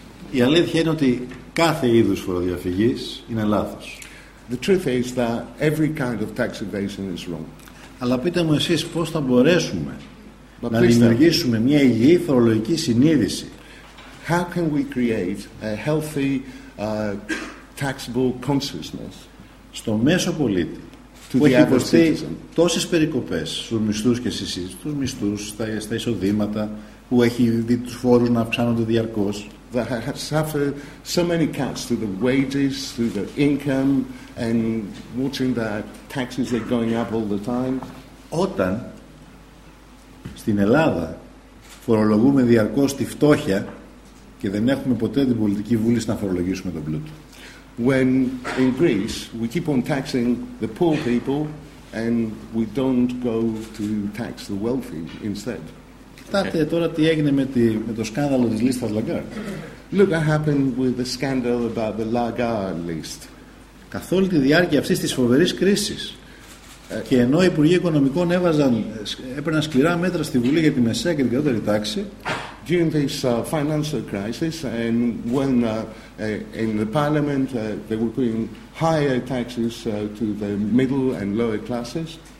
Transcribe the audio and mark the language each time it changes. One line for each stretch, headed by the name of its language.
Greek: Η αλήθεια είναι ότι κάθε είδους φοροδιαφυγής είναι λάθος.
English: The truth is that every kind of tax evasion is wrong.
Greek: Αλλά πείτε μου εσείς πώς θα μπορέσουμε να δημιουργήσουμε μια υγιή φορολογική συνείδηση.
English: How can we create a healthy taxable consciousness
Greek: στο μέσο πολίτη που έχει υποστεί τόσες περικοπές στους μισθούς και στους μισθούς, στα εισοδήματα, που έχει δει τους φόρους να αυξάνονται διαρκώς.
English: That has suffered so many cuts to the wages, to the income, and watching the taxes are going up all the time.
Greek: Όταν στην Ελλάδα φορολογούμε διαρκώς τη φτώχεια και δεν έχουμε ποτέ την πολιτική βούληση να φορολογήσουμε τον πλούτο.
English: When in Greece we keep on taxing the poor people and we don't go to tax the wealthy instead.
Greek: Κοιτάτε τώρα τι έγινε με το σκάνδαλο της λίστας Λαγκάρ.
English: Look what happened with the scandal about the Lagarde list.
Greek: Καθ' όλη τη διάρκεια αυτής της φοβερής κρίσης και ενώ οι Υπουργοί Οικονομικών έπαιρναν σκληρά μέτρα στη Βουλή για τη μεσαία και την κατώτερη τάξη,
English: during this financial crisis and when in the Parliament they were putting higher taxes to the middle and lower classes,